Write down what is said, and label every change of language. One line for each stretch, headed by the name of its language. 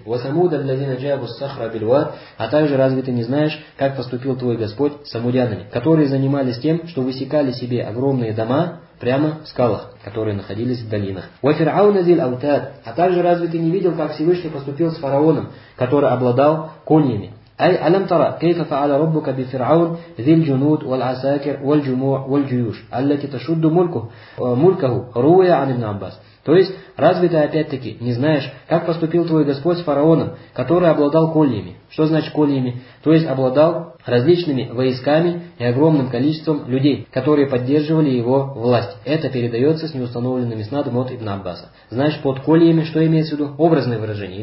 Arabic: «Васамуда ль-лазина джабу с-сахра биль-вад».
Russian: А также, разве ты не знаешь, как поступил твой Господь с самудянами, которые занимались тем, что высекали себе огромные дома прямо в скалах, которые находились в долинах.
Arabic: «Ва фирауна зиль аутад».
Russian: А также, разве ты не видел, как Всевышний поступил с фараоном, который обладал коньями?
Arabic: أي ألم ترى كيف فعل ربك بفرعون ذي الجنود والعساكر والجموع والجيوش التي تشد ملكه روي عن ابن عباس.
Russian: То есть, разве ты опять-таки не знаешь, как поступил твой Господь с фараоном, который обладал кольями? Что значит кольями? То есть, обладал различными войсками и огромным количеством людей, которые поддерживали его власть. Это передается с неустановленными снадом от Ибн Аббаса. Значит, под кольями что имеется в виду? Образное выражение.